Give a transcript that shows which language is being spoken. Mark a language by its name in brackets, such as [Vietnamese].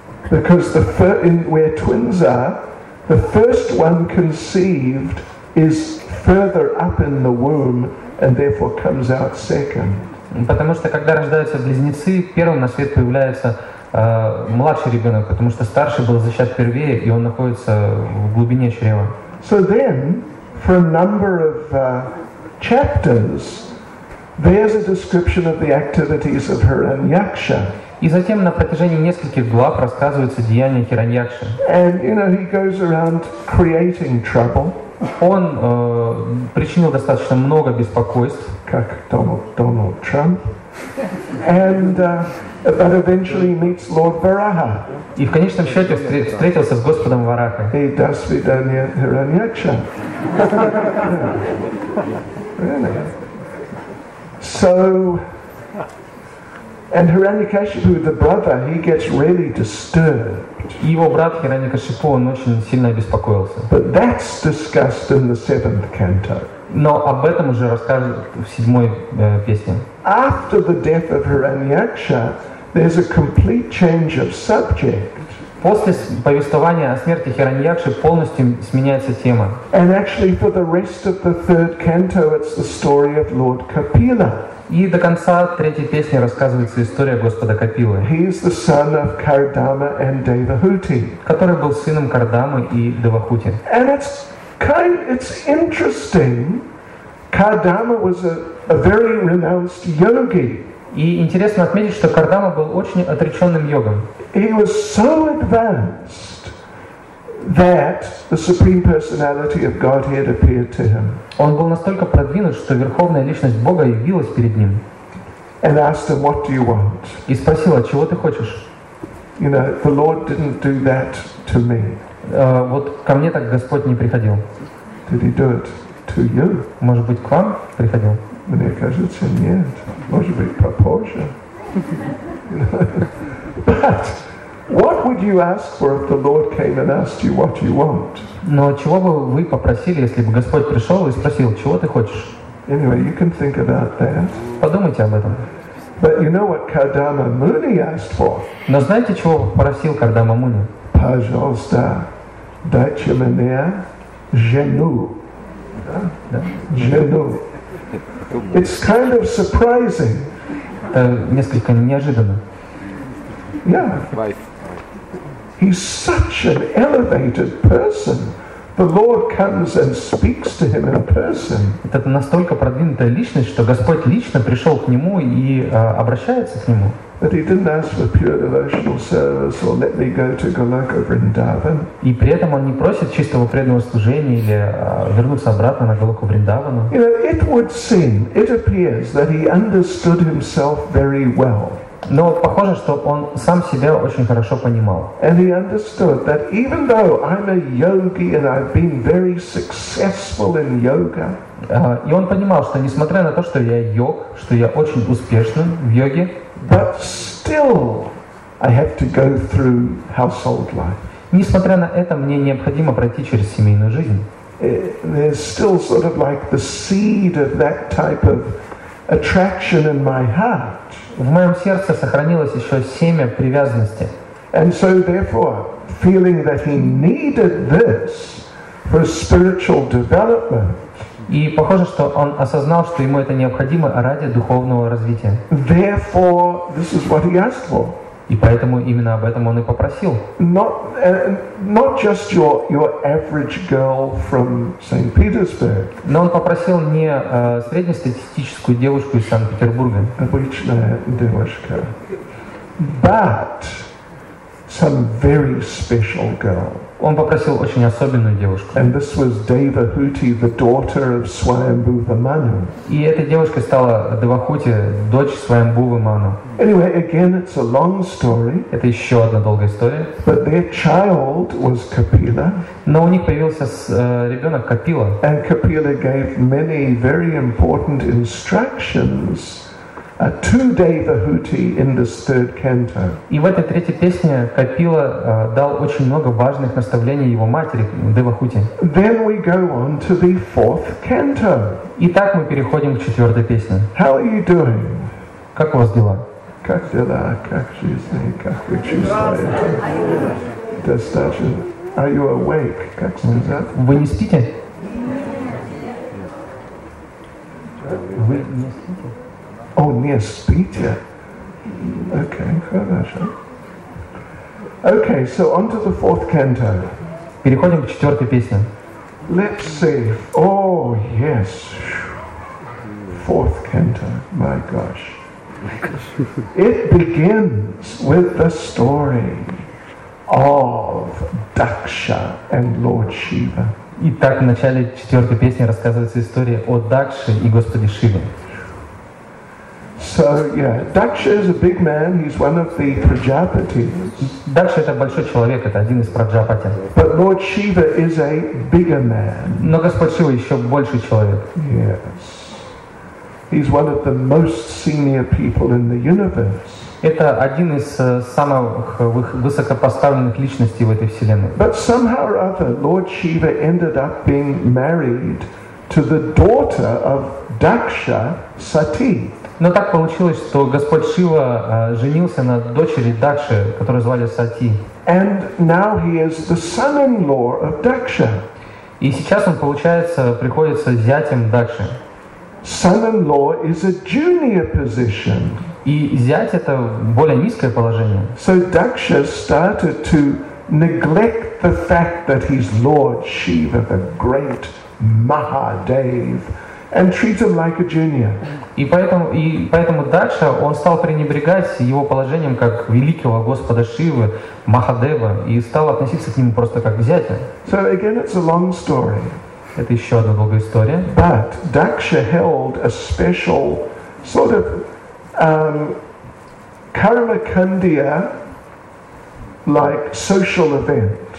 [English] Because the where twins are, the first one conceived is further up in the womb and therefore comes out second. [Russian] Потому что когда рождаются близнецы, первым на свет появляется младший ребенок, потому что старший был зачат первее, и он находится в глубине чрева. [English] So then, for a number of chapters, there's a description of the activities of Hiranyaksha. [Russian] И затем на протяжении нескольких глав рассказывается деяния Хираньякши. [English] And you know he goes around creating trouble. [Russian] Он причинил достаточно много беспокойств. Как Дональд Трамп. [English] And but eventually meets Lord Varaha. [Russian] И в конечном счете встретился с Господом Варахой. [English] He does with Daniel Hiranyaksha. So, and Hiranyakashipu, the brother, he gets really disturbed. [Russian] Его брат Хираньякашипу, он очень сильно обеспокоился. [English] But that's discussed in the seventh canto. [Russian] Но об этом уже расскажут в седьмой песне. [English] After the death of Hiranyaksha, there's a complete change of subject. [Russian] После повествования о смерти Хираньякши полностью сменяется тема. [English] And actually, for the rest of the third canto, it's the story of Lord Kapila. [Russian] И до конца третьей песни рассказывается история Господа Капилы. [English] He is the son of Kardama and Devahuti. [Russian] Который был сыном Кардамы и Девахути. [English] And it's interesting. Kardama was a very renowned yogi. [Russian] И интересно отметить, что Кардама был очень отреченным йогом. [English] He was so advanced that the Supreme Personality of Godhead appeared to him. [Russian] Он был настолько продвинут, что верховная личность Бога явилась перед ним. [English] And asked him, "What do you want?" [Russian] И спросил, чего ты хочешь? [English] You know, the Lord didn't do that to me. [Russian] Вот ко мне так Господь не приходил. [English] Did he do it to you? [Russian] Может быть, к вам приходил? Мне кажется, нет. Может быть, попозже. [English] But what would you ask for if the Lord came and asked you what you want? [Russian] Но чего бы вы попросили, если бы Господь пришел и спросил, чего ты хочешь? [English] Anyway, you can think about that. [Russian] Подумайте об этом. [English] But you know what Kardama Muni asked for? [Russian] Но знаете, чего попросил Кардама Муни? Пожалуйста, дайте мне жену. Жену. [English] It's kind of surprising. [Russian] Это несколько неожиданно. [English] Yeah. He's such an elevated person. The Lord comes and speaks to him in person. [Russian] Это настолько продвинутая личность, что Господь лично пришел к нему и обращается к нему. [English] But he didn't ask for pure devotional service or let me go to Goloka Vrindavan. [Russian] И при этом он не просит чистого преданного служения или вернуться обратно на Голоку Вриндавану. [English] You know, it would seem, it appears that he understood himself very well. [Russian] Но похоже, что он сам себя очень хорошо понимал. [English] And he understood that even though I'm a yogi and I've been very successful in yoga. [Russian] И он понимал, что несмотря на то, что я йог, что я очень успешен в йоге, [English] but still I have to go through household life. [Russian] Несмотря на это, мне необходимо пройти через семейную жизнь. [English] There's still sort of like the seed of that type of attraction in my heart. [Russian] В моем сердце сохранилось еще семя привязанности. [English] And so therefore, feeling that he needed this for spiritual development. [Russian] И похоже, что он осознал, что ему это необходимо ради духовного развития. [English] Therefore, this is what he asked for. [Russian] И поэтому именно об этом он и попросил. [English] Not just your average girl from St. Petersburg. [Russian] Но он попросил не среднестатистическую девушку из Санкт-Петербурга. Обычная девушка. [English] But some very special girl. [Russian] Он попросил очень особенную девушку. [English] And this was Devahuti, the daughter of Swayambhuva Manu. [Russian] И эта девушка стала Девахути, дочь Свайамбувы Ману. [English] Anyway, again, it's a long story. [Russian] Это еще одна долгая история. [English] But their child was Kapila. [Russian] Но у них появился ребенок Капила. [English] And Kapila gave many very important instructions to Devahuti in this third canto. [Russian] И в этой третьей песне Капила дал очень много важных наставлений его матери Девахути. [English] Then we go on to the fourth canto. [Russian] Итак, мы переходим к четвертой песне. [English] How are you doing? [Russian] Как у вас дела? Как дела? Как жизнь? Как вы чувствуете? Достаточно. [English] Are you awake? [Russian] Как сказать? Вы не спите? Вы не спите? О, не спите. Окей, хорошо. Окей, [English] so on to the fourth canto. [Russian] Переходим к четвертой песне. [English] Let's see. Oh, yes. Fourth canto. My gosh. It begins with the story of Daksha and Lord Shiva. [Russian] Итак, в начале четвертой песни рассказывается история о Дакше и Господе Шиве. [English] So yeah, Daksha is a big man. He's one of the Prajapati. [Russian] Даксха это большой человек, это один из Праджапати. [English] But Lord Shiva is a bigger man. [Russian] Но Господь Шива еще больший человек. [English] Yes. He's one of the most senior people in the universe. [Russian] Это один из самых высокопоставленных личностей в этой вселенной. [English] But somehow or other, Lord Shiva ended up being married to the daughter of Daksha, Sati. [Russian] Но так получилось, что Господь Шива женился на дочери Дакши, которую звали Сати. [English] And now he is the son-in-law of Daksha. [Russian] И сейчас он, получается, приходится зятем Дакши. [English] Son-in-law is a junior position. [Russian] И зять — это более низкое положение. [English] So Daksha started to neglect the fact that he's Lord Shiva, the great Mahadev, and treat him like a junior. [Russian] И поэтому Дакша, он стал пренебрегать его положением как великого Господа Шивы, Махадева, и стал относиться к нему просто как к зятю. [English] So again, it's a long story. [Russian] Это еще одна долгая история. [English] But Daksha held a special sort of Karmakandiya like social event.